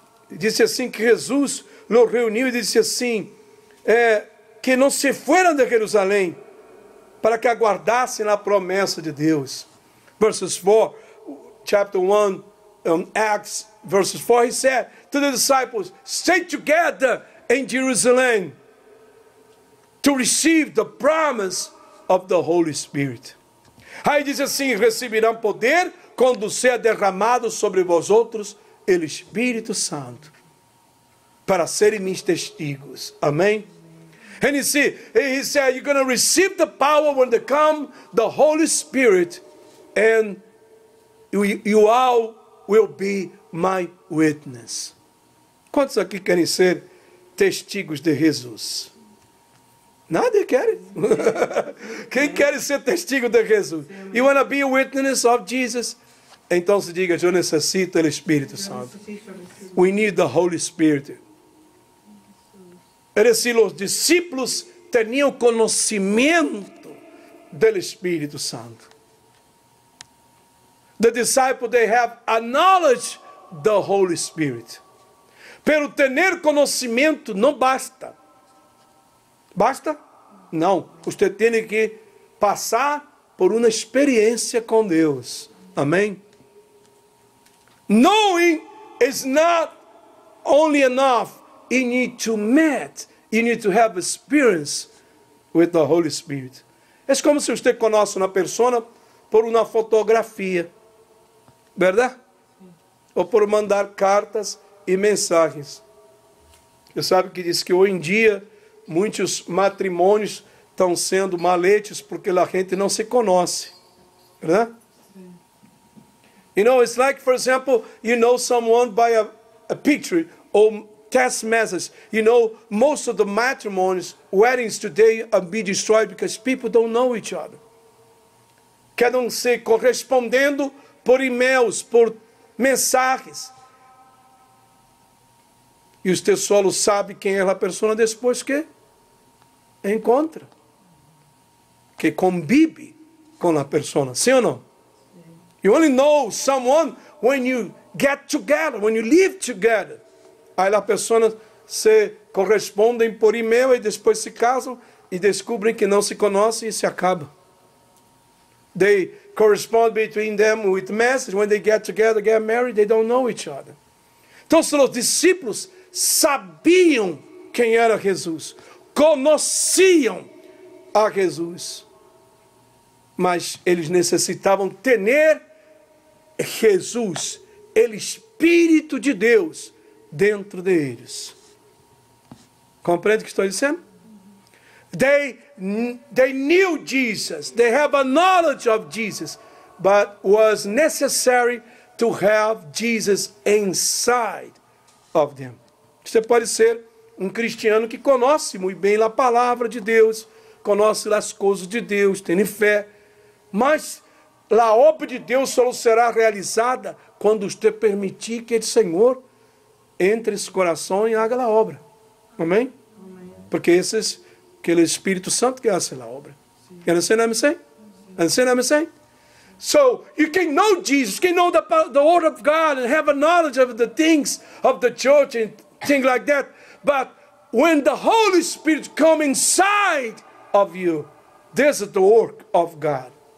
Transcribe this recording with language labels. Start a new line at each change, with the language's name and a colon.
Portuguese: Disse assim que Jesus nos reuniu e disse assim, que não se foram de Jerusalém, para que aguardassem na promessa de Deus.
English: Verses 4, chapter 1, Acts, verses 4, he said to the disciples, stay together in Jerusalem to receive the promise of the Holy Spirit.
Portuguese: Aí diz assim, receberão poder quando seja derramado sobre vós outros o Espírito Santo, para serem meus testigos. Amém?
English: And he said, you're going to receive the power when they come, the Holy Spirit, and you all will be my witness.
Portuguese: Quantos aqui querem ser testigos de Jesus? Nada quer. Quem quer ser testigo de Jesus?
English: You want to be a witness of Jesus?
Portuguese: Então se diga, eu necessito do Espírito Santo.
English: We need the Holy Spirit.
Portuguese: Era se os discípulos tinham conhecimento do Espírito Santo.
English: The disciples, they have a knowledge of the Holy Spirit.
Portuguese: Pero ter conhecimento não basta. Basta? Não. Você tem que passar por uma experiência com Deus.
English: Amém? Knowing is not only enough. You need to meet. You need to have experience with the Holy Spirit.
Portuguese: É como se você conhece uma pessoa por uma fotografia. Verdade? Ou por mandar cartas e mensagens. Você sabe que diz que hoje em dia muitos matrimônios estão sendo maletes porque a gente não se conhece. Verdade?
English: You know, it's like, for example, you know someone by a picture or test message. You know, most of the matrimonies, weddings today are being destroyed because people don't know each other.
Portuguese: Querem se correspondendo por e-mails, por mensagens. E o seu solo sabe quem é a pessoa depois que encontra. Que convive com a pessoa. Sim ou não? You only know someone when you get together, when you live together. Aí as pessoas se correspondem por e-mail e depois se casam e descobrem que não se conhecem e se acaba.
English: They correspond between them with message. When they get together, get married, they don't know each other.
Portuguese: Então, se os discípulos sabiam quem era Jesus, conheciam a Jesus, mas eles necessitavam ter Jesus, o Espírito de Deus, dentro deles. Compreende o que estou dizendo?
English: They knew Jesus. They have a knowledge of Jesus. But was necessary to have Jesus inside of them.
Portuguese: Você pode ser um cristiano que conhece muito bem a palavra de Deus. Conhece as coisas de Deus. Tem fé. Mas a obra de Deus só será realizada quando você permitir que o Senhor entre esse coração e haga a obra. Amém? Amém. Porque esse é aquele Espírito Santo que faz a obra. Entende o que eu estou dizendo?
English: So you can know Jesus, can know the word of God and have a knowledge of the things of the church and things like that. But when the Holy Spirit comes inside of you, this is the work of God.